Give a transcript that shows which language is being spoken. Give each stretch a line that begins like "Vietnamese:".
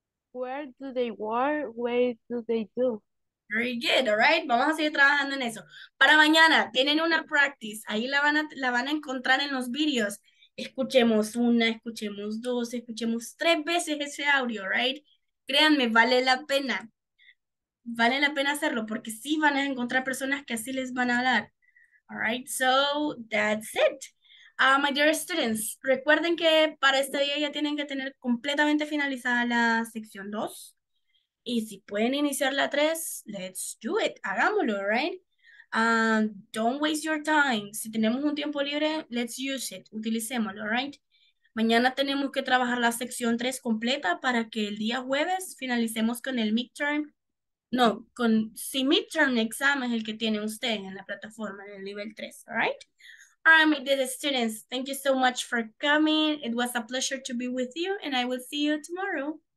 English: Where do they work? Where do they do? Very good, all right.
Spanish: Vamos a seguir trabajando en eso. Para mañana, tienen una practice. Ahí la van a encontrar en los videos. Escuchemos una, escuchemos dos, escuchemos tres veces ese audio, right? Créanme, vale la pena. Vale la pena hacerlo porque sí van a encontrar personas que así les van a hablar.
English: All right, so that's it. My dear students,
Spanish: recuerden que para este día ya tienen que tener completamente finalizada la sección 2. Y si pueden iniciar la 3,
English: let's do it.
Spanish: Hagámoslo, right?
English: Don't waste your time.
Spanish: Si tenemos un tiempo libre,
English: let's use it.
Spanish: Utilicémoslo, right? Mañana tenemos que trabajar la sección 3 completa para que el día jueves finalicemos con el midterm. No, con si midterm examen es el que tiene usted en la plataforma, en el nivel 3, right?
English: All right, my dear students, thank you so much for coming. It was a pleasure to be with you, and I will see you tomorrow.